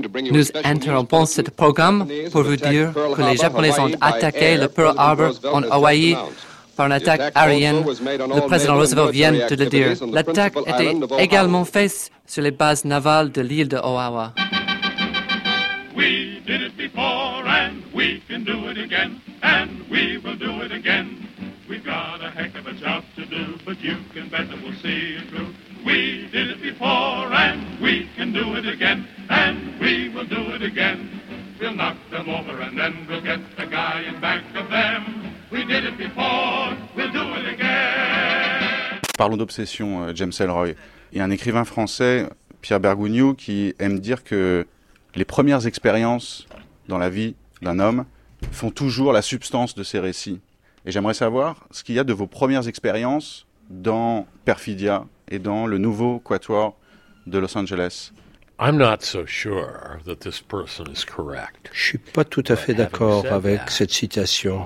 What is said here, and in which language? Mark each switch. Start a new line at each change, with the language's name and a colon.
French: Nous interrompons ce programme pour vous dire que les Japonais ont attaqué le Pearl Harbor en Hawaï par une attaque aérienne. Le président Roosevelt vient de le dire. L'attaque était également faite sur les bases navales de l'île de Oahu.
English: can do it again, and we will do it again. We've got a heck of a job to do, but you can bet that we'll see it through. We did it before, and we can do it again, and we will do it again. We'll knock them over, and then we'll get the guy in back of them. We did it before, we'll do it again.
French: Parlons d'obsession, James Ellroy. Il y a un écrivain français, Pierre Bergougnoux, qui aime dire que les premières expériences dans la vie d'un homme font toujours la substance de ses récits. Et j'aimerais savoir ce qu'il y a de vos premières expériences dans Perfidia et dans le nouveau Quatuor de Los Angeles.
English: I'm not so sure that this person is correct.
French: Je ne suis pas tout à fait d'accord avec cette citation.